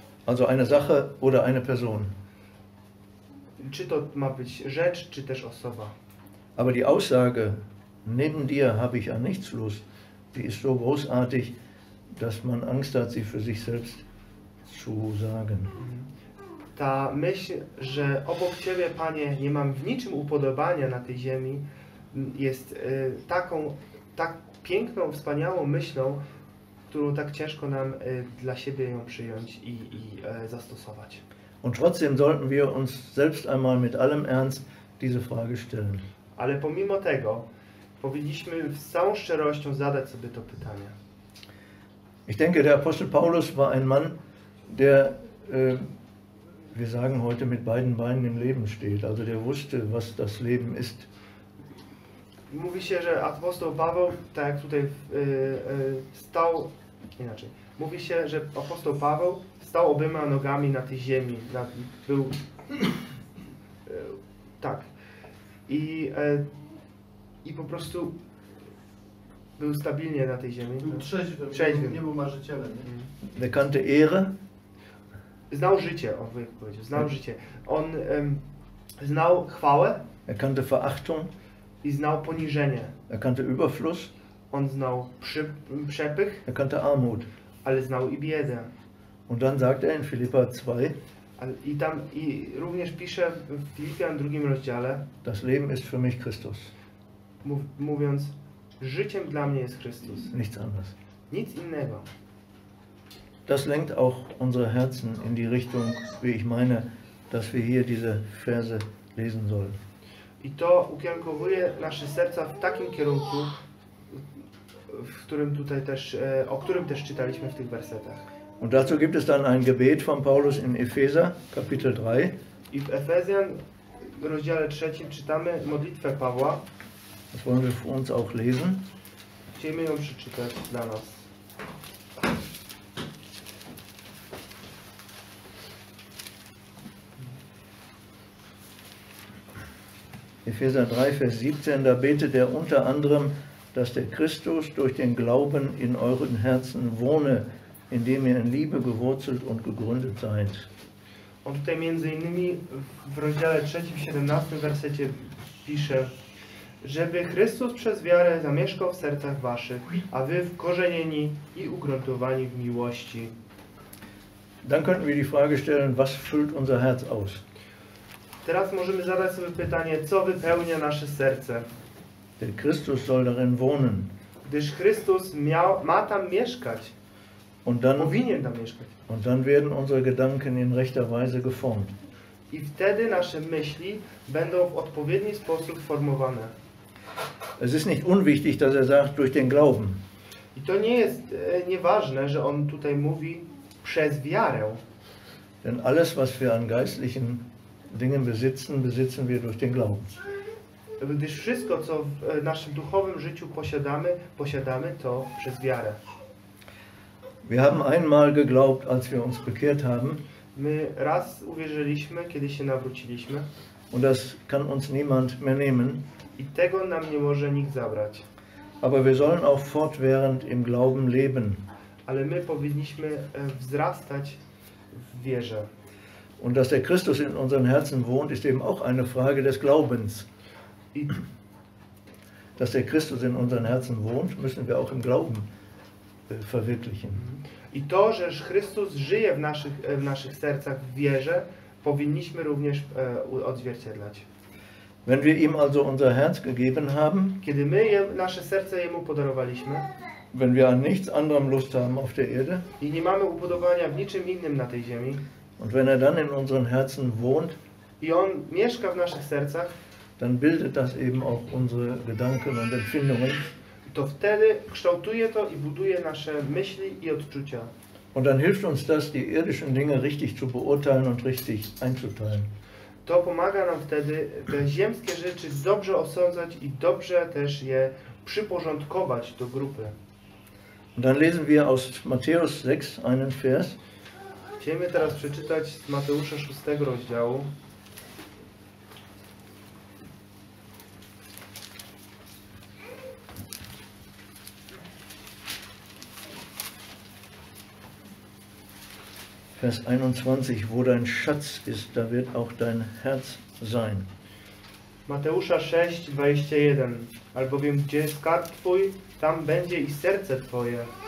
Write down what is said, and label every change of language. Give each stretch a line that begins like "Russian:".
German: Also eine Sache oder eine Person.
Polish: Czy to ma być rzecz, czy też osoba.
German: Aber die Aussage, neben dir habe ich an nichts Lust, die ist so großartig, dass man Angst hat, sie für sich selbst zu sagen.
Polish: Ta myśl, że obok Ciebie, Panie, nie mam w niczym upodobania na tej ziemi, jest taką, tak piękną, wspaniałą myślą, którą tak ciężko nam dla siebie ją przyjąć i zastosować.
German: Und trotzdem sollten wir uns selbst einmal mit allem Ernst diese Frage stellen.
Polish: Ale pomimo tego, powinniśmy z całą szczerością zadać sobie to pytanie.
German: Ich denke, der Apostel Paulus war ein Mann, der, wir sagen heute, mit beiden Beinen im Leben steht. Also der wusste, was das Leben ist.
Polish: Mówi się, że apostoł Paweł, tak jak tutaj stał, inaczej, mówi się, że apostoł Paweł stał obyma nogami na tej ziemi, był, tak, i po prostu był stabilnie na tej ziemi. Był trzeźwy, nie był marzycielem.
German: Der kannte Ehre.
Polish: Znał życie, on powiedział, znał życie. On znał chwałę.
German: Er kannte Verachtung.
Polish: I znał poniżenie.
German: Er kannte Überfluss.
Polish: On znał przepych.
German: Er kannte Armut.
Polish: Ale znał i biedę.
German: Und dann sagt er in Philippa 2.
Polish: I również pisze w Filipian 2 rozdziale.
German: Das Leben ist für mich Christus.
Polish: Mówiąc, życiem dla mnie jest Chrystus.
German: Nichts anderes.
Polish: Nic innego.
German: Das lenkt auch unsere Herzen in die Richtung, wie ich meine, dass wir hier diese Verse lesen sollen.
Polish: I to ukierunkowuje nasze serca w takim kierunku, w którym tutaj też, o którym też czytaliśmy w tych wersetach.
German: Und dazu gibt es dann ein Gebet von Paulus in Epheser, Kapitel 3.
Polish: I w Efezjan, w rozdziale 3, czytamy modlitwę Pawła.
German: Das wollen wir für uns auch lesen.
Polish: Chcemy ją przeczytać dla nas.
German: Epheser 3, Vers 17, da betet er unter anderem, dass der Christus durch den Glauben in euren Herzen wohne, indem ihr in Liebe gewurzelt und gegründet seid. Und
Polish: tutaj między innymi w rozdziale 3, 17 wersecie pisze, żeby Chrystus przez wiarę zamieszkał w sercach waszych, a wy wkorzenieni i ugruntowani w miłości.
German: Dann könnten wir die Frage stellen, was füllt unser Herz aus?
Polish: Teraz możemy zadać sobie pytanie, co wypełnia nasze serce?
German: Der Christus soll darin wohnen.
Polish: Gdyż Chrystus ma tam mieszkać.
German: Und dann,
Polish: powinien tam mieszkać.
German: Und dann werden unsere Gedanken in rechter Weise geformt.
Polish: I wtedy nasze myśli będą w odpowiedni sposób formowane.
German: Es ist nicht unwichtig, dass er sagt, durch den Glauben.
Polish: I to nie jest nieważne, że on tutaj mówi przez wiarę.
German: Denn alles, was wir an geistlichen Dinge besitzen, besitzen wir durch den Glauben.
Polish: Gdyż wszystko, co w naszym duchowym życiu posiadamy, posiadamy to przez wiarę.
German: Wir haben einmal geglaubt, als wir uns bekehrt haben.
Polish: My raz uwierzyliśmy, kiedy się nawróciliśmy.
German: Und das kann uns niemand mehr nehmen.
Polish: I tego nam nie może nikt zabrać.
German: Aber wir sollen auch fortwährend im Glauben leben.
Polish: Ale my powinniśmy wzrastać w wierze.
German: Und dass der Christus in unseren Herzen wohnt, ist eben auch eine Frage des Glaubens. Dass der Christus in unseren Herzen wohnt, müssen wir auch im Glauben verwirklichen.
Polish: I to, że Chrystus żyje w naszych sercach w wierze, powinniśmy również odzwierciedlać.
German: Wenn wir ihm also unser Herz gegeben haben,
Polish: kiedy my nasze serce jemu podarowaliśmy,
German: wenn wir an nichts anderem Lust haben auf der Erde,
Polish: i nie mamy upodobania w niczym innym na tej ziemi,
German: und wenn er dann in unseren Herzen wohnt,
Polish: i on mieszka w naszych sercach,
German: dann bildet das eben auch unsere Gedanken und Empfindungen,
Polish: to wtedy kształtuje to i buduje nasze myśli i odczucia.
German: Und dann hilft uns das, die irdischen Dinge richtig zu beurteilen und richtig einzuteilen.
Polish: To pomaga nam wtedy te ziemskie rzeczy dobrze osądzać i dobrze też je przyporządkować do grupy.
German: Und dann lesen wir aus Matthäus 6 einen Vers.
Polish: Chcemy teraz przeczytać z Mateusza 6 rozdziału.
German: Vers 21, wo dein Schatz ist, da wird auch dein Herz sein.
Polish: Mateusza 6, 21. Albowiem gdzie skarb twój, tam będzie i serce twoje.